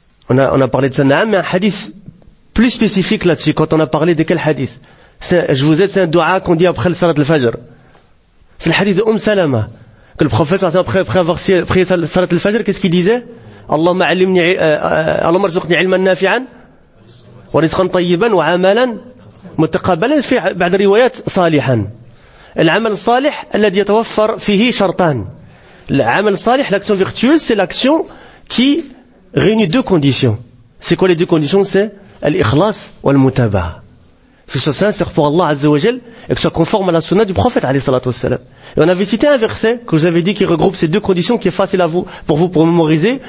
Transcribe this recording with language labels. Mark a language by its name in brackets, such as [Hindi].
[French] On a parlé de ça, mais un hadith plus spécifique là-dessus, quand on a parlé de quel hadith? C'est un dua qu'on dit après le salat al-fajr. C'est le hadith de Salama. Que le prophète, après avoir prié le salat al-fajr, qu'est-ce qu'il disait? [Arabic] Allahumma arzuqni ilman nafi'an. ورزقا طيبا وعملا متقبلا في بعد الروايات صالحا. العمل الصالح الذي يتوفر فيه شرطان. [French] العمل الصالح l'action virtueuse c'est l'action qui réunit deux conditions. C'est quoi les deux conditions? C'est l'ikhlas wal mutaba. C'est ça, c'est pour Allah Azza wa Jal et que ça conforme à la sunna du prophète alayhi salatu wassalam. Et on avait cité un verset que vous avez dit qui regroupe ces deux conditions qui est facile à vous pour vous pour mémoriser.